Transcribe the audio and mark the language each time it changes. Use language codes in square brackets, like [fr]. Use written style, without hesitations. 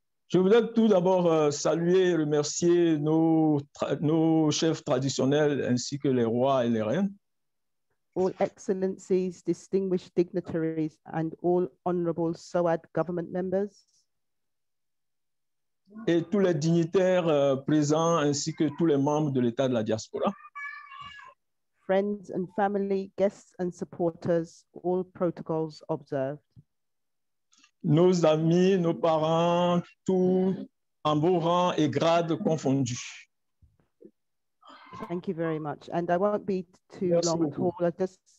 [fr] Je voudrais tout d'abord saluer et remercier nos chefs traditionnels ainsi que les rois et les reines. [en] All excellencies, distinguished dignitaries, and all honorable SOAD government members. [fr] Et tous les dignitaires présents ainsi que tous les membres de l'État de la diaspora. [en] Friends and family, guests and supporters, all protocols observed. [fr] Nos amis, nos parents, tous en beau rang et grade confondus. [en] Thank you very much. And I won't be too [fr] Merci [en] long [fr] beaucoup. [en] At all.